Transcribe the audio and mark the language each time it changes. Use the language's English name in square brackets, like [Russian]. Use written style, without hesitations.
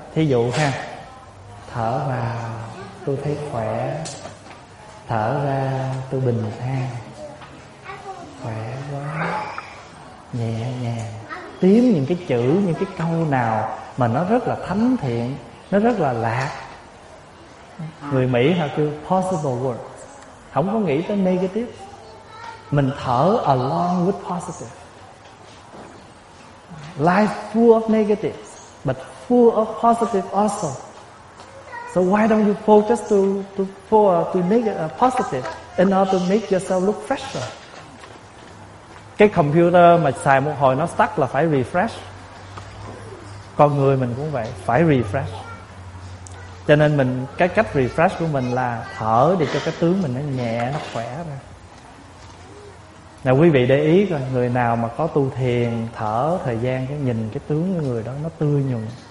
[Vietnamese] Thí dụ ha: thở vào tôi thấy khỏe, thở ra tôi bình an, khỏe quá, nhẹ nhàng. Tiếng những cái chữ, những cái câu nào mà nó rất là thánh thiện, nó rất là lạc. Người Mỹ họ kêu possible words, không có nghĩ tới negative. Mình thở [English] along with positive. Life full of negative but full of positive also. So why don't you focus to make a positive in order to make yourself look fresher? [Vietnamese] Cái computer mà xài một hồi nó stuck là phải refresh. Con người mình cũng vậy, phải refresh. Cho nên mình cái cách refresh của mình là thở để cho cái tướng mình nó nhẹ, nó khỏe ra. Nào quý vị để ý coi, người nào mà có tu thiền thở thời gian, cái nhìn cái tướng của người đó nó tươi nhuận.